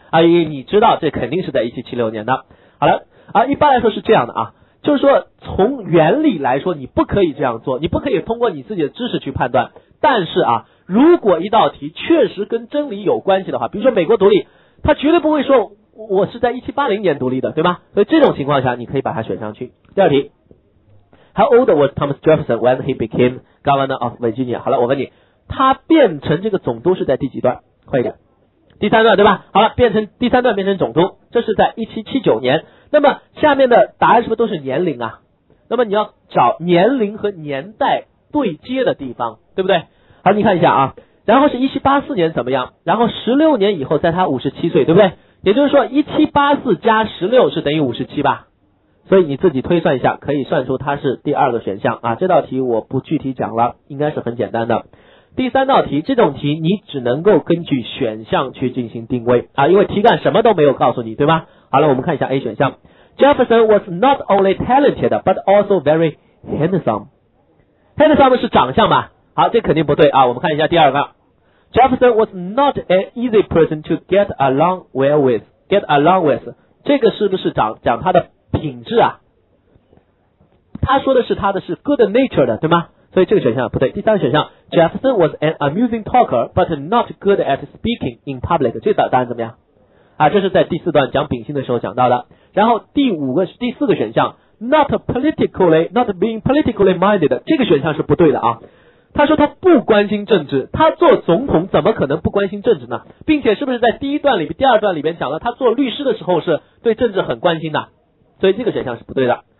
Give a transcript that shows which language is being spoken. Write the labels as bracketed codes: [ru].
[zh] 啊，因为你知道这肯定是在1776年的。好了啊，一般来说是这样的啊，就是说从原理来说你不可以这样做，你不可以通过你自己的知识去判断。但是啊，如果一道题确实跟真理有关系的话，比如说美国独立，他绝对不会说我是在1780年独立的，对吧？所以这种情况下你可以把它选上去。 [en] 第二题， How old was Thomas Jefferson when he became governor of Virginia？ [zh] 好了，我问你，他变成这个总督是在第几段？快一点，第三段，对吧？好了，变成第三段变成总督，这是在1779年。那么下面的答案是不是都是年龄啊？那么你要找年龄和年代对接的地方，对不对？好，你看一下啊，然后是1784年怎么样，然后16年以后在他57岁，对不对？也就是说1784加16是等于57吧，所以你自己推算一下可以算出他是第二个选项啊。这道题我不具体讲了，应该是很简单的。第三道题，这种题你只能够根据选项去进行定位啊，因为题干什么都没有告诉你，对吧？好了，我们看一下 A 选项， [en] Jefferson was not only talented but also very handsome。 [zh] handsome 是长相吧？好，这肯定不对啊。我们看一下第二个， [en] Jefferson was not an easy person to get along well with。 [zh] get along with 这个是不是讲他的品质啊？他说的是他的是 good nature 的，对吗？所以这个选项不对。第三个选项， [en] Jefferson was an amusing talker but not good at speaking in public。 [zh] 这答案怎么样啊？这是在第四段讲秉性的时候讲到的。然后第四个选项， [en] not being politically minded， [zh] 这个选项是不对的啊。他说他不关心政治，他做总统怎么可能不关心政治呢？并且是不是在第二段里面讲了他做律师的时候是对政治很关心的，所以这个选项是不对的。